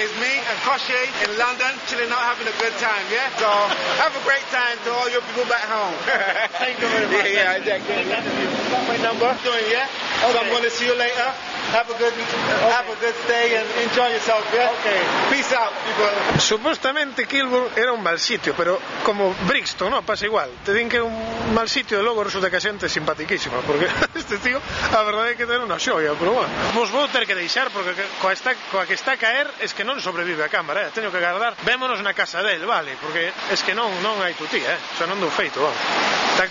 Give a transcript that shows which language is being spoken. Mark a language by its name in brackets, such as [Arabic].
[English] It's me and Koshé in London, chilling out, having a good time, yeah? So have a great time to all your people back home. Thank you very much. Yeah, exactly. Got my number. Doing, yeah? Okay. So I'm going to see you later. Have a good day and enjoy yourself, yeah? Okay. Peace out, people. [Spanish] Supuestamente Kilburn era un mal sitio, pero como Brixton, ¿no? Pasa igual. Te dicen que mal sitio, luego resulta que [Galician] a xente simpatiquísima, porque este tío a verdade é que ten unha xoia, pero bueno, vos vou ter que deixar, porque coa que está a caer, es que non sobrevive a cámara, eh? Teño que agardar, vémonos na casa del, vale, porque es que non hai tu tía, o sea, non dou feito, vale.